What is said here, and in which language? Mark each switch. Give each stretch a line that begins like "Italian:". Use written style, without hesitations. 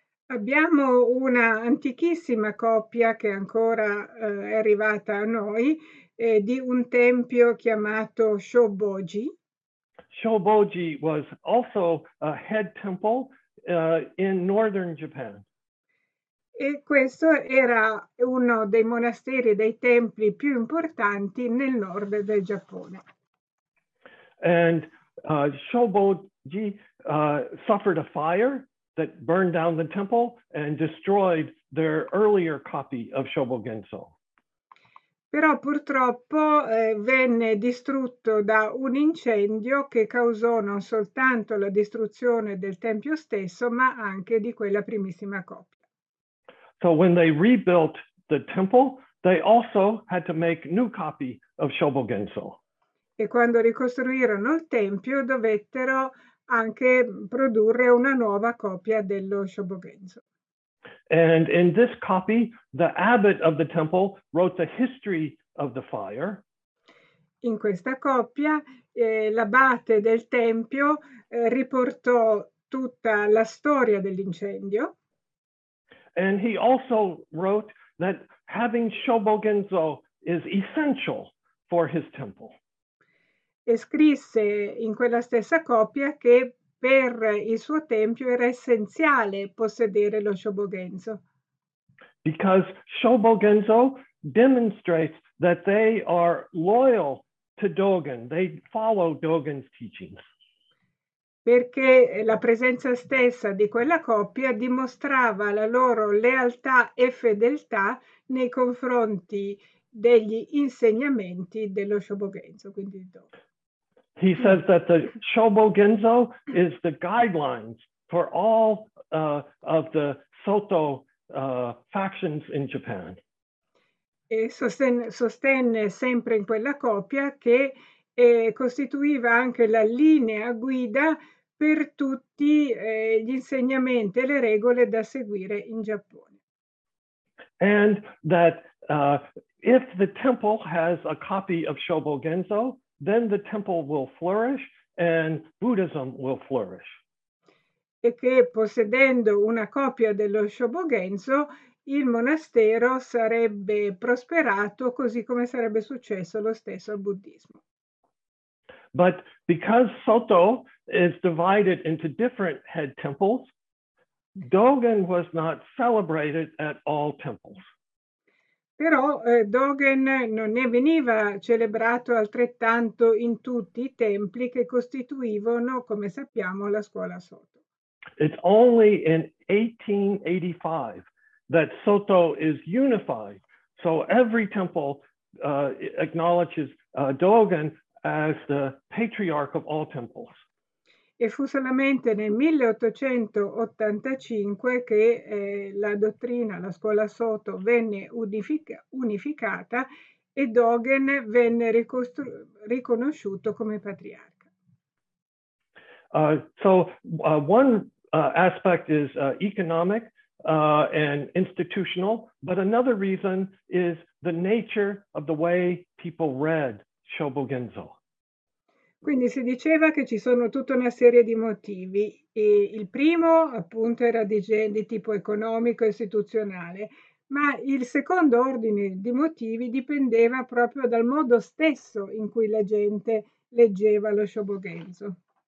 Italian: Abbiamo una antichissima copia che ancora è arrivata a noi di un tempio chiamato Shoboji.
English: Shoboji was also a head temple in northern Japan.
Italian: E questo era uno dei monasteri, dei templi più importanti nel nord del Giappone.
English: And Shoboji suffered a fire that burned down the temple and destroyed their earlier copy of Shobogenzo.
Italian: Però purtroppo venne distrutto da un incendio che causò non soltanto la distruzione del tempio stesso, ma anche di quella primissima copia.
English: So when they rebuilt the temple, they also had to make new copy of Shobogenzo.
Italian: E quando ricostruirono il tempio, dovettero anche produrre una nuova copia dello Shobogenzo.
English: And in this copy, the abbot of the temple wrote the history of the fire.
Italian: In questa copia, l'abate del tempio riportò tutta la storia dell'incendio.
English: And he also wrote that having Shobogenzo is essential for his temple.
Italian: E scrisse in quella stessa copia che per il suo tempio era essenziale possedere lo Shobogenzo.
English: Because Shobogenzo demonstrates that they are loyal to Dogen. They follow Dogen's teachings.
Italian: Perché la presenza stessa di quella coppia dimostrava la loro lealtà e fedeltà nei confronti degli insegnamenti dello Shobogenzo, quindi di Dogen.
English: He says that the Shobogenzo is the guidelines for all of the Soto factions in Japan.
Italian: E sostenne sempre in quella copia che costituiva anche la linea guida per tutti gli insegnamenti e le regole da seguire in Giappone.
English: And that if the temple has a copy of Shobogenzo, then the temple will flourish and Buddhism will flourish.
Italian: E che possedendo una copia dello Shobogenzo, il monastero sarebbe prosperato così come sarebbe successo lo stesso al buddismo.
English: But because Soto is divided into different head temples, Dogen was not celebrated at all temples.
Italian: Però Dogen non ne veniva celebrato altrettanto in tutti i templi che costituivano, come sappiamo, la scuola Soto.
English: It's only in 1885 that Soto is unified. So every temple acknowledges Dogen as the patriarch of all temples.
Italian: E fu solamente nel 1885 che la dottrina, la scuola Soto, venne unificata e Dogen venne riconosciuto come patriarca.
English: So one aspect is economic and institutional, but another reason is the nature of the way people read Shobo Genzo.
Italian: Quindi si diceva che ci sono tutta una serie di motivi. E il primo appunto era di tipo economico e istituzionale, ma il secondo ordine di motivi dipendeva proprio dal modo stesso in cui la gente leggeva lo Shobo Genzo.